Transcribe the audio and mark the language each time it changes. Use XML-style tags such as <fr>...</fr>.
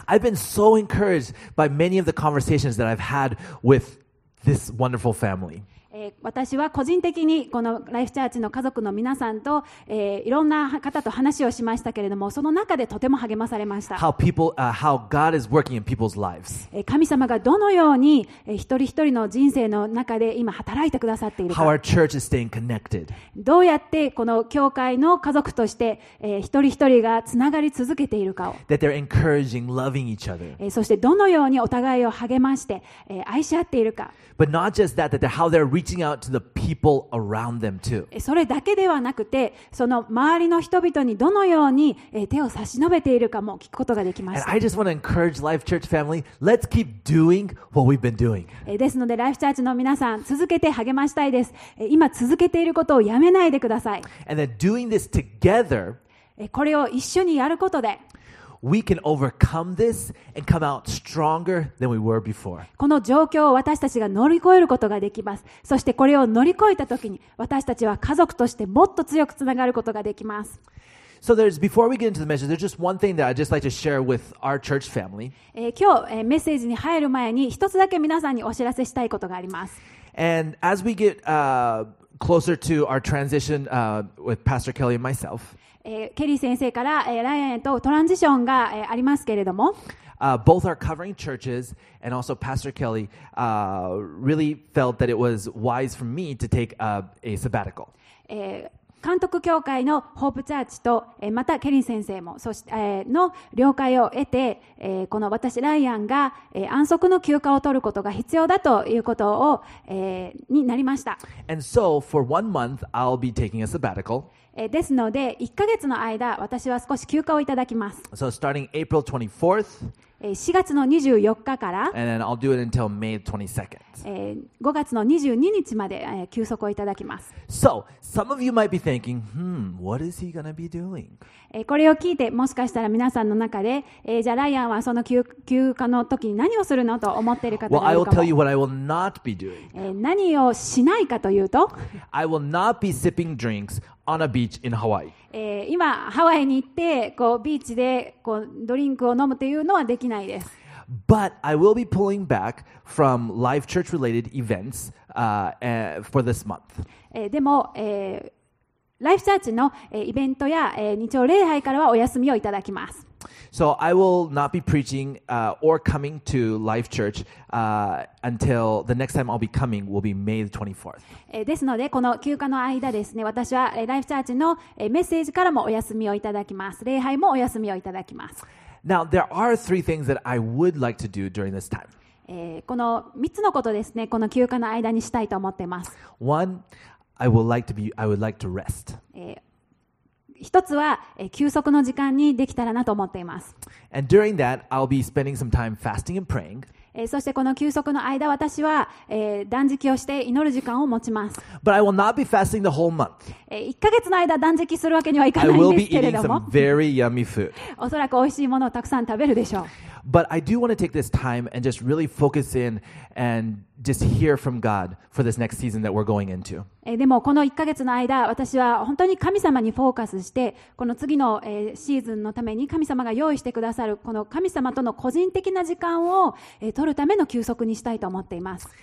<en>I've been so encouraged by many of the conversations that I've had with this wonderful family.</en> <ja>私は個人的にこのライフチャーチの家族の皆さんと、いろんな方と話をしましたけれども、その中でとても励まされました。</ja> <en>how God is working in people's lives.</en> <ja>神様がどのように、一人一人の人生の中で今働いてくださっているか、</ja> <en>how our church is staying connected.</en> <ja>どうやってこの教会の家族として、一人一人がつながり続けているかを、</ja> <en>that they're encouraging, loving each other.</en> <ja>そしてどのようにお互いを励まして、愛し合っているか。</ja> <en>But not just that, that how they'reaching out to the people around them too.</en> <ja>それだけではなくて、その周りの人々にどのように手を差し伸べているかも聞くことができました。</ja> <en>And I just want to encourage Life Church family, let's keep doing what we've been doing.</en> <ja>ですので、Life Churchの皆さん、続けて励ましたいです。今続けていることをやめないでください。</ja> <en>And that doing this together,</en> <ja>これを一緒にやることで、</ja> <en>We can overcome this and come out stronger than we were before.</en> <ja>この状況を私たちが乗り越えることができます。そしてこれを乗り越えたときに、私たちは家族としてもっと強くつながることができます。</ja> <en>So there's before we get into the message, there's just one thing that I'd just like to share with our church family.</en> <ja>今日、メッセージに入る前に一つだけ皆さんにお知らせしたいことがあります。</ja> <en>And as we get closer to our transition with Pastor Kelly and myself.</en> <ja>ケリー先生から、ライアンとトランジションが、ありますけれども、</ja> <en>both are covering churches, and also Pastor Kelly, really felt that it was wise for me to take a sabbatical.</en> <ja>監督教会のホープチャーチと、またケリー先生も、そして、の了解を得て、この私、ライアンが、安息の休暇を取ることが必要だということを、になりました。</ja> <en>And so, for one month, I'll be taking a sabbatical.</en> <ja>ですので1ヶ月の間私は少し休暇をいただきます。</ja> <en>So starting April 24th,</en> <ja>4月の24日から、</ja> <en>And then I'll do it until May 22nd.</en> <ja>5月の22日まで休息をいただきます。</ja> <en>So some of you might be thinking, what is he going to be doing?</en> <ja>これを聞いてもしかしたら皆さんの中で、じゃあライアンはその休暇の時に何をするのと思っている方がいるかも。</ja> <en>Well, I will tell you what I will not be doing.</en> <ja>何をしないかというと、</ja> <en>I will not be sipping drinks. On a beach in Hawaii.</en> <ja>今ハワイに行ってこうビーチでこうドリンクを飲むというのはできないです。</ja> <en>But I will be pulling back from Life Church related events for this month.</en> <ja>でも、Life Churchのイベントや、日曜礼拝からはお休みをいただきます。</ja> <en>So I will not be preaching or coming to Life Church until the next time I'll be coming will be May 24th.</en> <ja>ですのでこの休暇の間ですね、私は Life Church のメッセージからもお休みをいただきます。礼拝もお休みをいただきます。</ja> <en>Now there are three things that I would like to do during this time.</en> <ja>この3つのことですね、この休暇の間にしたいと思っています。</ja> <en>One, I would like to rest.</en> <ja>一つは休息の時間にできたらなと思っています。</ja> <en>And during that, I'll be spending some time fasting and praying.</en> <ja>そしてこの休息の間、私は断食をして祈る時間を持ちます。</ja> <en>But I will not be fasting the whole month.</en> <ja>1ヶ月の間断食するわけにはいかないんですけれども。</ja> <en>I will be eating some very yummy food.</en> <ja>おそらく美味しいものをたくさん食べるでしょう。</ja> <en>But I do want to take this time and just really focus in and just hear from God for this next season that we're going into.</en> <ja>でもこの1ヶ月の間、私は本当に神様にフォーカスして、この次のシーズンのために神様が用意してくださるこの神様との個人的な時間を取るための休息にしたいと思っています。</ja>